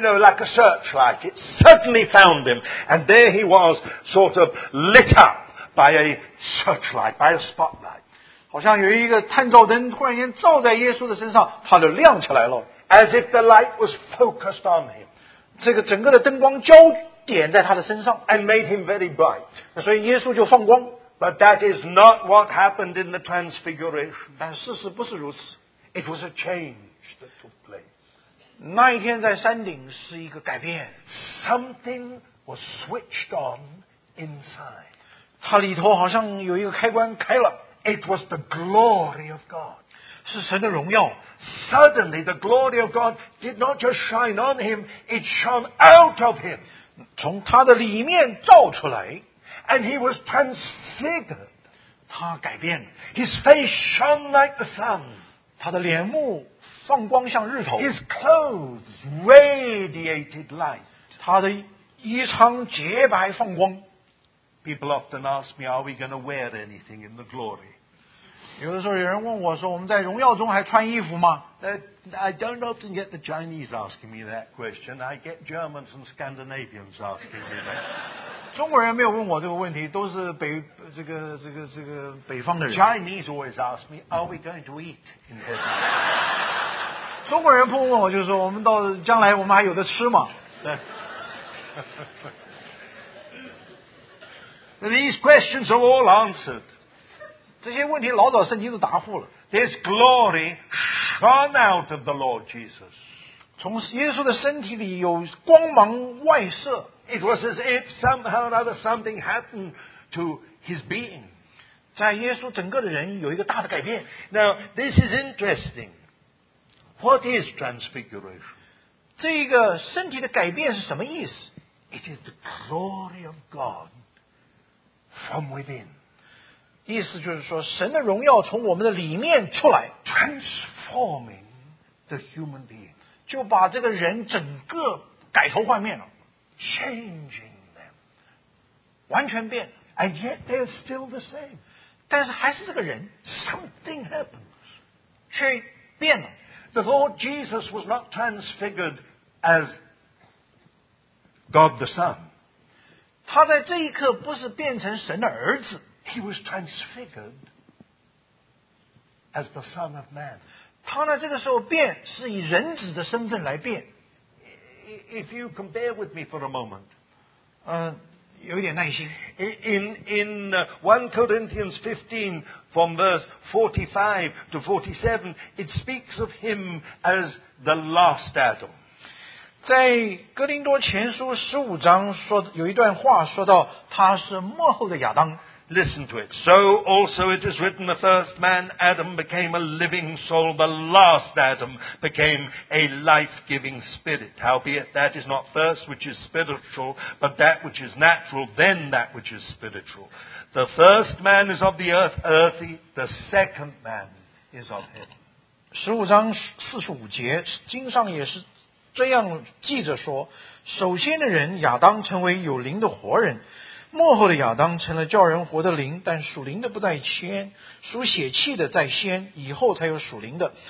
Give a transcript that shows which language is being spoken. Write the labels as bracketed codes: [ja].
[en] know, like a searchlight, it suddenly found him, and there he was, sort of lit up by a searchlight, by a spotlight. [zh] 好像有一个探照灯突然间照在耶稣的身上，他就亮起来了。 [en] As if the light was focused on him. [zh] 这个整个的灯光焦点在他的身上。 [en] And made him very bright. [zh] 所以耶稣就放光。 [en] But that is not what happened in the transfiguration. [zh] 但事实不是如此。 [en] It was a change that took place. [zh] 那一天在山顶是一个改变。 [en] Something was switched on inside. [zh] 它里头好像有一个开关开了。 [en] It was the glory of God. [zh] 是神的荣耀。 [en] Suddenly the glory of God did not just shine on him, it shone out of him. [zh] 从他的里面照出来。 [en] And he was transfigured. [zh] 他改变了。 [en] His face shone like the sun. [zh] 他的脸目放光像日头。 [en] His clothes radiated light. [zh] 他的衣裳洁白放光。 [en] People often ask me, are we going to wear anything in the glory? [zh] 有的时候有人问我说，我们在荣耀中还穿衣服吗？ [en] I don't often get the Chinese asking me that question. I get Germans and Scandinavians asking me that. [zh] 中国人没有问我这个问题，都是北方的人。 [en] Chinese always ask me, are we going to eat in heaven? [zh] 中国人不问我，就说我们到将来我们还有的吃嘛。 [en] These questions are all answered. [zh] 这些问题老早圣经都答复了。 [en] This glory shone out of the Lord Jesus. [zh] 从耶稣的身体里有光芒外射。 [en] It was as if somehow or other something happened to his being. [zh] 在耶稣整个的人有一个大的改变。 [en] Now, this is interesting. What is transfiguration? [zh] 这个身体的改变是什么意思？ [en] It is the glory of God from within. [zh] 意思就是说神的荣耀从我们的里面出来。 [en] Transforming the human being. [zh] 就把这个人整个改头换面了。 [en] Changing them. [zh] 完全变。 [en] And yet they are still the same. [zh] 但是还是这个人。 [en] Something happens. [zh] 却变了。 [en] The Lord Jesus was not transfigured as God the Son. [zh] 他在这一刻不是变成神的儿子。 [en] He was transfigured as the Son of Man. [zh] 他呢这个时候变是以人子的身份来变。 [en] If you can bear with me for a moment, [zh] 有点耐心。 [en] In 1 Corinthians 15, from verse 45 to 47, it speaks of him as the last Adam. [zh] 在哥林多前书十五章说有一段话说到他是末后的亚当。 [en] Listen to it. So also it is written, the first man, Adam, became a living soul. The last Adam became a life-giving spirit. Howbeit, that is not first which is spiritual, but that which is natural, then that which is spiritual. The first man is of the earth, earthy. The second man is of heaven. [zh] 15章45节，经上也是这样记着说，首先的人亚当成为有灵的活人，末后的亚当成了叫人活的灵，但属灵的不在先，属血气的在先，以后才有属灵的。